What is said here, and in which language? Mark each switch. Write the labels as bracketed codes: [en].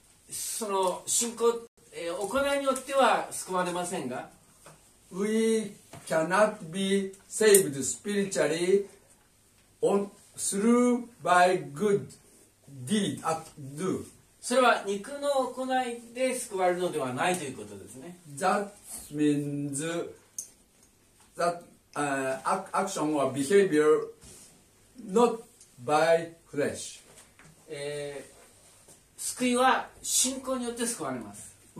[ja] その信仰、行いによっては救われませんが、 [en] We cannot be saved spiritually on, through by good deed at do. [ja] それは肉の行いで救われるのではないということですね。 [en] That means that、action or behavior not by flesh.、 [ja] 救いは信仰によって救われます。